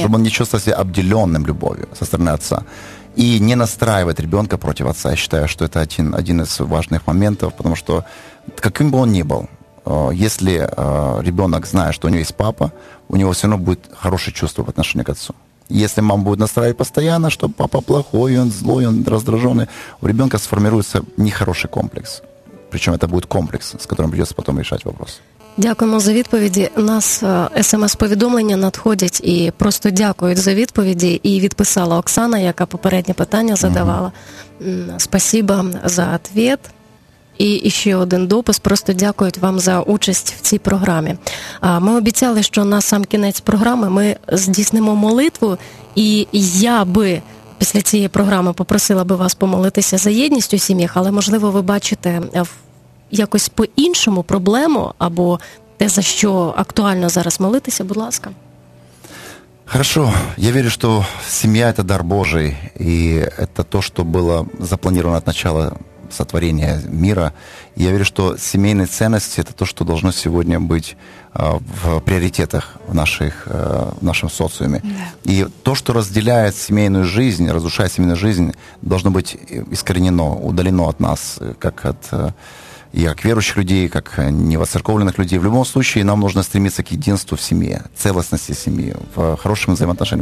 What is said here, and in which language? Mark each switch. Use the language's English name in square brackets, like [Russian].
[Russian] Чтобы он не чувствовал себя обделенным любовью со стороны отца. И не настраивать ребенка против отца, я считаю, что это один из важных моментов, потому что каким бы он ни был, если ребенок знает, что у него есть папа, у него все равно будет хорошее чувство в отношении к отцу. Если мама будет настраивать постоянно, что папа плохой, он злой, он раздраженный, у ребенка сформируется нехороший комплекс. [Ukrainian] Причому це буде комплекс, з яким придеться потім вирішувати питання. Дякуємо за відповіді. Нас смс-повідомлення надходять і просто дякують за відповіді. І відписала Оксана, яка попереднє питання задавала. Спасибо за відповідь. І ще один допис. Просто дякують вам за участь в цій програмі. Ми обіцяли, що на сам кінець програми ми здійснимо молитву. І я би після цієї програми попросила би вас помолитися за єдність у сім'ях, але, можливо, ви бачите якось по-іншому проблему або те, за що актуально зараз молитися, будь ласка. [Russian] Хорошо. [Ukrainian] Я вірю, що сім'я – це дар Божий, і це те, що було заплановано від початку сотворення світу. Я вірю, що сімейні цінності – це те, що має сьогодні бути в приоритетах [Russian] в нашем социуме. [English] Yeah. [Russian] И то, что разделяет семейную жизнь, разрушает семейную жизнь, должно быть искоренено, удалено от нас, как от и как верующих людей, как невоцерковленных людей. В любом случае, нам нужно стремиться к единству в семье, целостности семьи, в хорошем взаимоотношении.